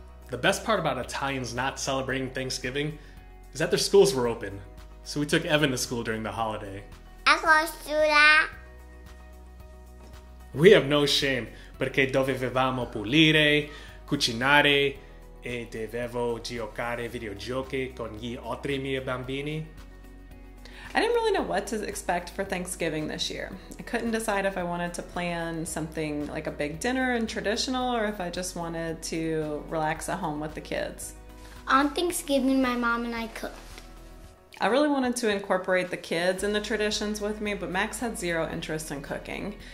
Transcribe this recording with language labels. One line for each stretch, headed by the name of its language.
English: The best part about Italians not celebrating Thanksgiving is that their schools were open. So we took Evan to school during the holiday. I want to do that. We have no shame,
Italian: perché dovevamo pulire, cucinare, e dovevo giocare videogiochi con gli altri miei bambini.
English: I didn't really know what to expect for Thanksgiving this year. I couldn't decide if I wanted to plan something like a big dinner and traditional, or if I just wanted to relax at home with the kids. On Thanksgiving, my mom and I cooked. I really wanted to incorporate the kids in the traditions with me, but Max had zero interest in cooking.